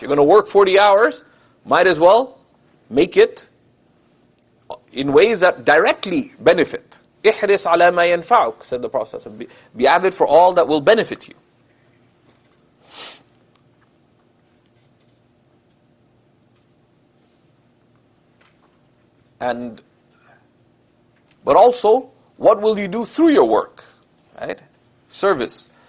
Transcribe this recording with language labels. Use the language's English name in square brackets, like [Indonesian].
[English] You're going to work 40 hours, might as well make it in ways that directly benefit. [Arabic] إِحْرِصْ عَلَى مَا يَنْفَعُكَ, [English] said the Prophet. Be avid for all that will benefit you. But also, what will you do through your work? Right? Service.